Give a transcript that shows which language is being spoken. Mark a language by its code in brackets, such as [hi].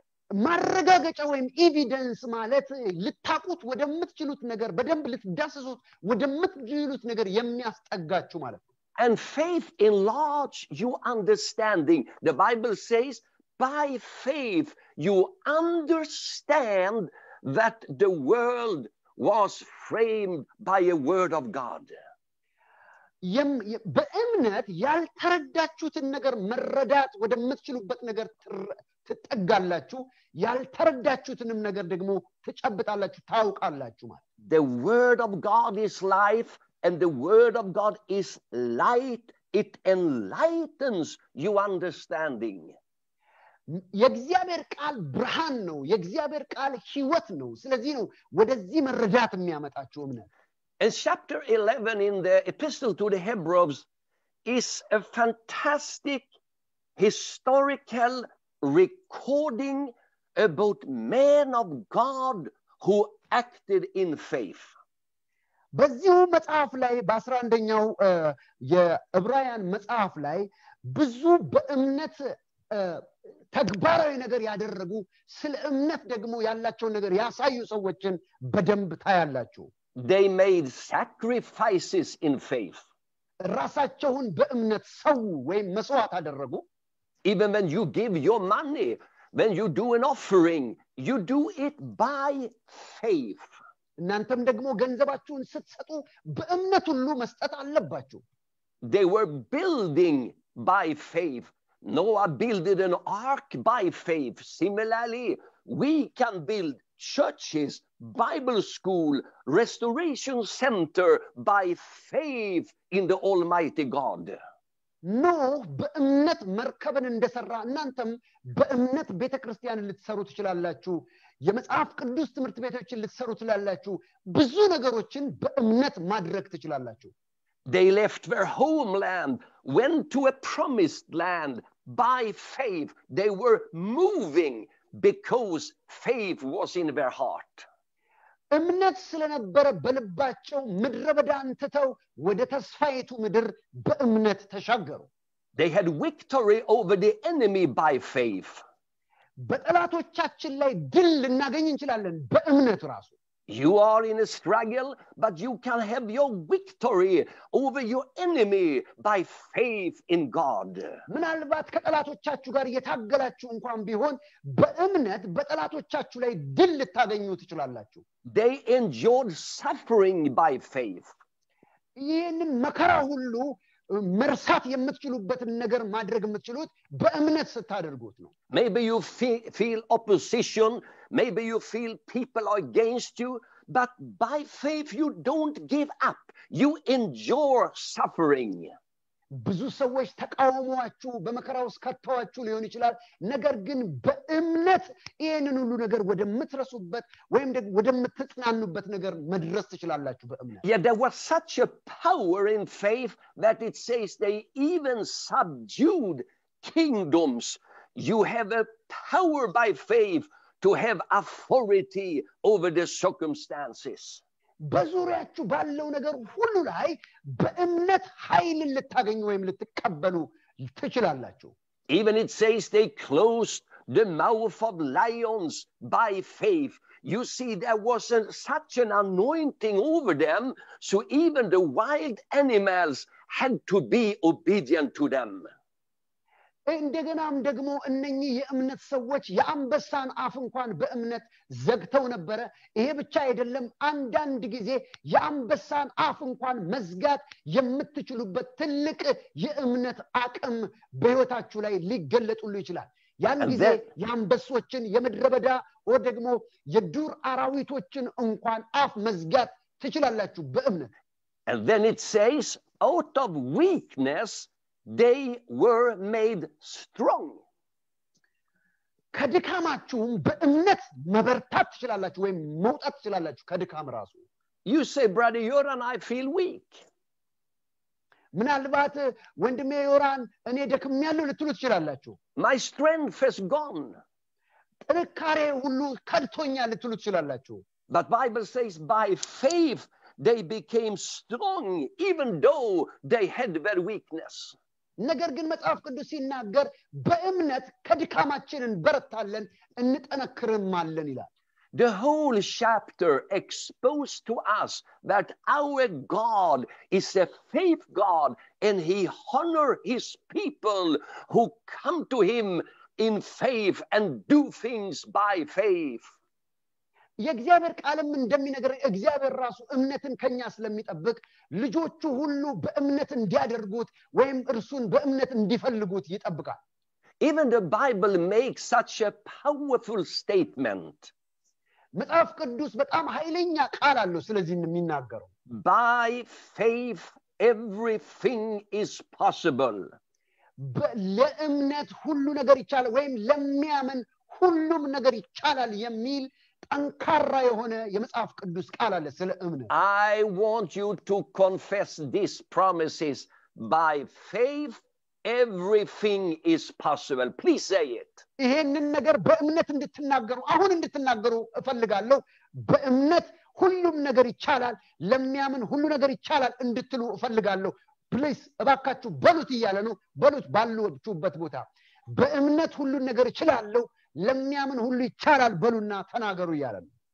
[am] ማረጋገጫ ወይም ኤቪደንስ ማለት ልታቁት ወደምትችሉት ነገር በደንብ ልትዳሰሱት ወደምትችሉት ነገር የሚያስጠጋችሁ ማለት [en] and faith enlarges your understanding the bible says by faith you understand that the world was framed by a word of god [am] በእምነት ያልተረዳችሁትን ነገር መረዳት ወደምትችሉበት ነገር ትጠጋላችሁ ያልተረዳችሁትንም ነገር ደግሞ ትጨብጣላችሁ ታውቃላችሁ ማለት [en] the word of god is life and the word of god is light it enlightens your understanding [am] የእግዚአብሔር ቃል ብርሃን ነው የእግዚአብሔር ቃል ህይወት ነው ስለዚህ ነው ወደዚህ መረዳት የሚያመጣችሁ እምነት [en] And chapter 11 in the Epistle to the Hebrews is a fantastic historical recording about men of God who acted in faith. [am] በዚሁ መጽሐፍ ላይ በ11ኛው የዕብራውያን መጽሐፍ ላይ ብዙ በእምነት ተግባራዊ ነገር ያደረጉ ስለ እምነት ደግሞ ያላቸው ነገር ያሳዩ ሰዎችን በደንብ ታያላችሁ። [en] They made sacrifices in faith. [am] ራሳቸውን በእምነት ሰው ወይም መስዋዕት አደረጉ. [en] Even when you give your money, when you do an offering, you do it by faith. [am] እናንተም ደግሞ ገንዘባችሁን ስትሰጡ በእምነት ሁሉ መስጠት አለባችሁ. [en] They were building by faith. Noah built an ark by faith. Similarly, we can build churches, Bible school, restoration center by faith in the Almighty God. No, [am] በእምነት መርከብን እንደሰራ እናንተም በእምነት ቤተክርስቲያን ልትሰሩ ትችላላችሁ የመጽሐፍ ቅዱስ ትምህርት ቤቶችን ልትሰሩ ትችላላችሁ ብዙ ነገሮችን በእምነት ማድረግ ትችላላችሁ [en] They left their homeland, went to a promised land by faith. They were moving because faith was in their heart. [am] እምነት ስለነበረ በልባቸው ምድረ በዳን ተተው ወደ ተስፋይቱ ምድር በእምነት ተሻገሩ። [en] They had victory over the enemy by faith. [am] በጠላቶቻችን ላይ ድል እናገኝ እንችላለን በእምነት ራሱ። [en] You are in a struggle, but you can have your victory over your enemy by faith in God. [am] ምናልባት ከጠላቶቻችሁ ጋር የታገላችሁ እንኳን ቢሆን በእምነት በጠላቶቻችሁ ላይ ድል ልታገኙ ትችላላችሁ። [en] They endured suffering by faith. [am] ይህን መከራ ሁሉ መርሳት የምትችሉበትን ነገር ማድረግ የምትችሉት በእምነት ስታደርጉት ነው። [en] Maybe you feel opposition, maybe you feel people are against you, but by faith you don't give up. You endure suffering. [am] ብዙ ሰዎች ተቃውሞአችሁ በመከራውስ ከተዋችሁ ሊሆን ይችላል ነገር ግን በእምነት ይሄንን ሁሉ ነገር ወደምትረሱበት ወይም ደግሞ ወደምትጽናኑበት ነገር መድረስ ትችላላችሁ በእምነት [en] Yeah, there was such a power in faith that it says they even subdued kingdoms you have a power by faith to have authority over the circumstances [am] በዙሪያችሁ ባለው ነገር ሁሉ ላይ በእምነት ኃይል ልታገኙ ወይም ልትቀበሉ ትችላላችሁ [en] Even it says they closed the mouth of lions by faith you see there was such an anointing over them so even the wild animals had to be obedient to them [am] እንደገናም ደግሞ እነኚህ የእምነት ሰዎች ያንበሳን አፍ እንኳን በእምነት ዘግተው ነበር ይሄ ብቻ አይደለም አንዳንድ ጊዜ ያንበሳን አፍ እንኳን መዝጋት የምትችሉበት ትልቅ የእምነት አቅም በህይወታችሁ ላይ ሊገለጥሉ ይችላል ያን ጊዜ ያንበሶችን የመድረበዳ ወይ ደግሞ የዱር አራዊቶችን እንኳን አፍ መዝጋት ትችላላችሁ በእምነት [en] And then it says, out of weakness, they were made strong. [am] ከድካማችሁም በእምነት መበርታት ትችላላችሁ ወይም መውጣት ትችላላችሁ ከድካም ራሱ. [en] You say, brother Yoran, I feel weak. [am] ምናልባት ወንድሜ ዮራን እኔ ደክሜያለሁ ልትሉ ትችላላችሁ. [en] My strength is gone. [am] ጥንካሬ ሁሉ ከድቶኛል ልትሉ ትችላላችሁ. [en] But Bible says by faith they became strong even though they had their weakness. [am] ነገር ግን መጽሐፍ ቅዱስ ሲናገር በእምነት ከድካማችንን በረታለን እንጠነክርማለን ይላል. [en] The whole chapter exposed to us that our God is a faith God and he honor his people who come to him in faith and do things by faith. [am] የእግዚአብሔር ቃልም እንደሚነገር እግዚአብሔር ራሱ እምነትን ከኛ ስለሚጠብቅ ልጆቹ ሁሉ በእምነት እንዲያደርጉት ወይም እርሱን በእምነት እንዲፈልጉት ይጠብቃል. [en] Even the Bible makes such a powerful statement. [am] መጽሐፍ ቅዱስ በጣም ኃይለኛ ቃል አለው ስለዚህ እንደሚናገረው. [en] By faith everything is possible. [am] ለእምነት ሁሉ ነገር ይቻላል ወይም ለሚያምን ሁሉም ነገር ይቻላል የሚል ጠንካራ የሆነ የመጽሐፍ ቅዱስ ቃል አለ ስለ እምነት. [en] I want you to confess these promises. By faith everything is possible. Please say it. [am] ይሄንን ነገር በእምነት እንድትናገሩ አሁን እንድትናገሩ እፈልጋለሁ. በእምነት ሁሉም ነገር ይቻላል ለሚያምን ሁሉ ነገር ይቻላል እንድትሉ እፈልጋለሁ. [en] ፕሊስ [am] እባካችሁ በሉት ይያለ ነው በሉት ባሉበት ቦታ. በእምነት ሁሉ ነገር ይችላል ለሚያምን ሁሉ ይቻላል በሉና ተናገሩ ይያለ ነው.